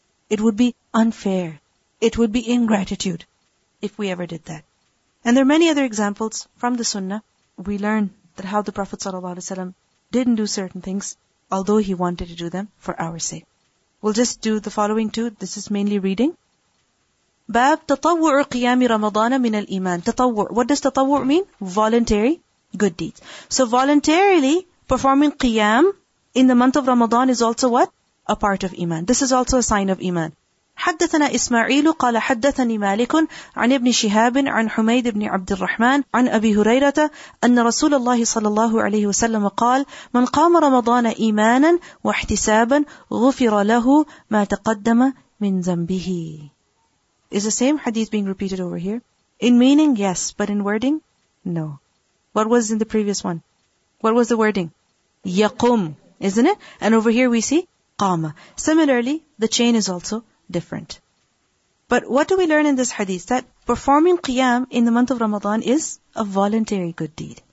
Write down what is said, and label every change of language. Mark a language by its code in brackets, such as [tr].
[en] It would be unfair. It would be ingratitude if we ever did that. And there are many other examples from the Sunnah. We learn that how the Prophet ﷺ didn't do certain things, although he wanted to do them for our sake. We'll just do the following two. This is mainly reading. [ar] باب تطوع قيام رمضان من الإيمان. [en] تطوع. What does تطوع mean? Voluntary good deeds. So voluntarily performing قيام in the month of Ramadan is also what? A part of Iman. This is also a sign of Iman. [ar] حدثنا إسماعيل قال حدثني مالك عن ابن شهاب عن حميد بن عبد الرحمن عن أبي هريرة أن رسول الله صلى الله عليه وسلم قال من قام رمضان إيمانا واحتسابا غفر له ما تقدم من ذنبه. [en] Is the same hadith being repeated over here? In meaning, yes, but in wording, no. What was in the previous one? What was the wording? يقوم, isn't it? And over here we see قام. Similarly, the chain is also different. But what do we learn in this hadith? That performing qiyam in the month of Ramadan is a voluntary good deed.